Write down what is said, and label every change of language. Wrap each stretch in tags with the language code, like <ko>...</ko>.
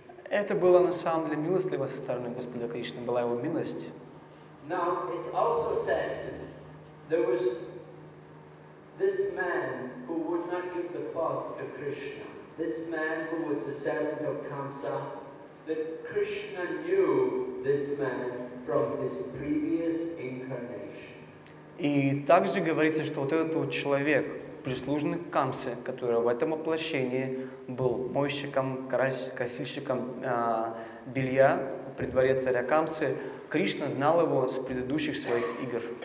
<ru>Это было на самом деле милостливо со стороны Господа Кришны, была его милость.</ru> <en>Now it's also said there was this man who would not give the cloth to Krishna. This man who was the servant of Kamsa, that Krishna knew this man from his previous incarnation.</en> <ru>И также говорится, что вот этот вот человек, прислужник Камсы, который в этом воплощении был мойщиком, косильщиком белья при дворе царя Камсы, Кришна знал его с предыдущих своих игр.</ru>